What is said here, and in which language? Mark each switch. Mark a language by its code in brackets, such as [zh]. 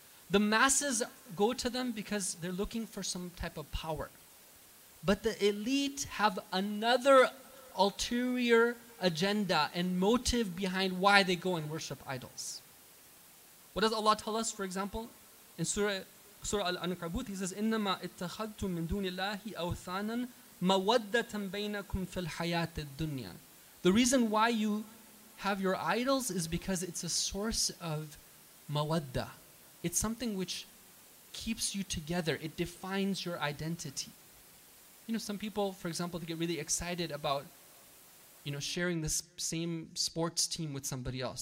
[en] The masses go to them because they're looking for some type of power. But the elite have another ulterior agenda and motive behind why they go and worship idols. What does Allah tell us, for example? In Surah Al-Ankabut, He says, [ar] إِنَّمَا اتَّخَذْتُم مِّن دُونِ اللَّهِ أَوْثَانًا مَوَدَّةً بَيْنَكُمْ فِي الْحَيَاةِ الدُّنْيَا. [en] The reason why you have your idols is because it's a source of mawadda. It's something which keeps you together. It defines your identity. You know, some people, for example, they get really excited about, you know, sharing this same sports team with somebody else.